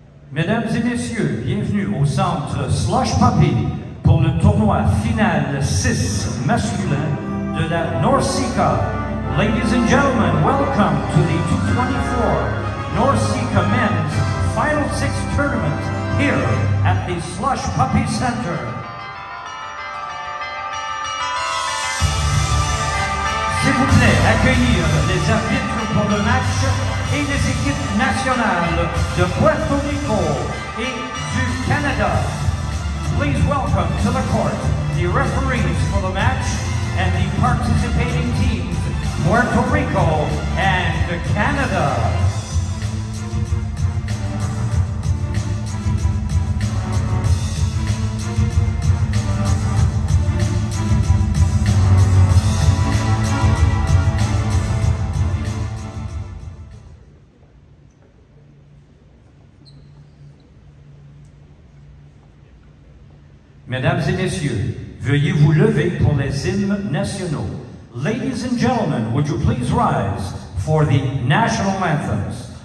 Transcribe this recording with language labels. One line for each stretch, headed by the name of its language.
French: Mesdames et messieurs, bienvenue au centre Slush Puppy pour le tournoi final 6 masculin de la Norseca.
English: Ladies and gentlemen, welcome to the 224 Norseca Men's Final 6 Tournament here at the Slush Puppy Center.
French: S'il vous plaît, accueillir les arbitres pour le match et les équipes nationales de Puerto Rico et du Canada.
English: Please welcome to the court the referees for the match and the participating teams, Puerto Rico and Canada.
French: Mesdames et messieurs, veuillez vous lever pour les hymnes nationaux.
English: Ladies and gentlemen, would you please rise for the national anthems?